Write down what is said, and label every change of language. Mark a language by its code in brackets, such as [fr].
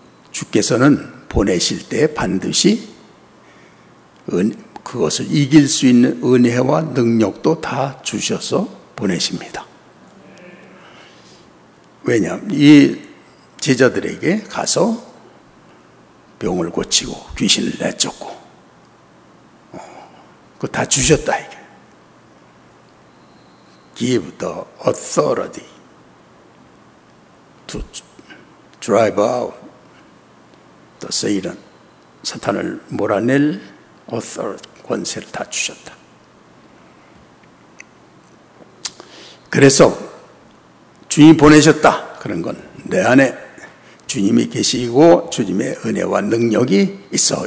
[ko] 주께서는 보내실 때 반드시 그것을 이길 수 있는 은혜와 능력도 다 주셔서 보내십니다. 왜냐하면 이 제자들에게 가서 병을 고치고 귀신을 내쫓고 그거 다 주셨다 이게. [en] Give the authority to drive out the Satan. [ko] 사탄을 몰아낼 authority, 권세를 다 주셨다. 그래서 주님이 보내셨다. 그런 건 내 안에 주님이 계시고 주님의 은혜와 능력이 있어.